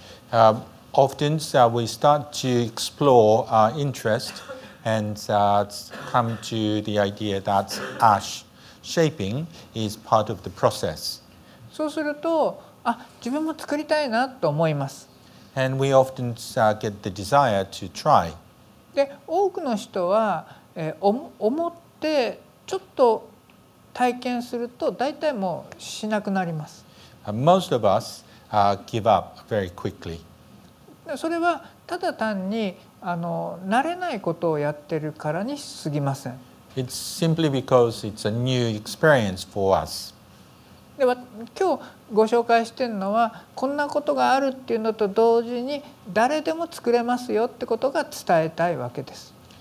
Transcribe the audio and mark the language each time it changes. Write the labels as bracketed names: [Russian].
[English] Often we start to explore our interest and come to the idea that ash shaping is part of the process. [Japanese] そうすると、あ、自分も作りたいなと思います。 [English] And we often get the desire to try. [Japanese] で、多くの人は、思ってちょっと体験すると大体もうしなくなります。 [English] Most of us, give up very quickly. [Japanese] それはただ単に慣れないことをやってるからに過ぎません。 [English] It's simply because it's a new experience for us. [Japanese] で、今日ご紹介しているのはこんなことがあるっていうのと同時に誰でも作れますよってことが伝えたいわけです。